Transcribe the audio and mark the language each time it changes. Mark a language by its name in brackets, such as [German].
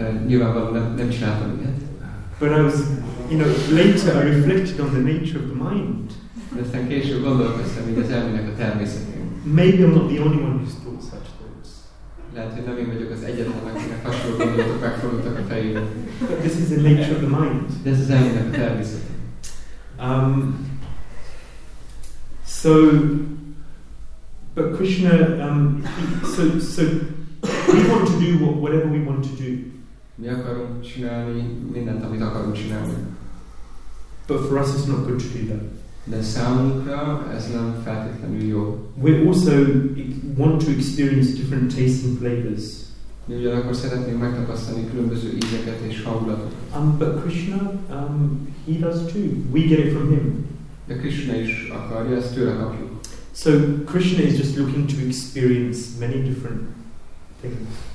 [Hungarian] Nyilvánvalóan nem csináltam ilyet. [English] But I was, you know, later I reflected on the nature of the mind. [Hungarian] De aztán később gondolkoztam, hogy az elmének a természetén. [English] Maybe I'm not the only one who's thought such. [Hungarian] Lehet, hogy nem én vagyok az egyetlen, akinek hasonló gondolatok megfordultak a fejébe. [English] This is the nature of the mind. This is the nature of the mind. So, but Krishna, we want to do whatever we want to do. [Hungarian] Mi akarunk csinálni mindent, amit akarunk csinálni. [English] But for us, it's not good to do that. [Hungarian] De számunkra ez nem feltétlenül jó. [English] We also want to experience different tastes and flavors. [Hungarian] Mi ugyanakkor szeretnénk megtapasztalni különböző ízeket és hangulatot. [English] But Krishna, he does too. We get it from him. [Hungarian] De Krishna is akarja, ezt tőle kapjuk. [English] So Krishna is just looking to experience many different things.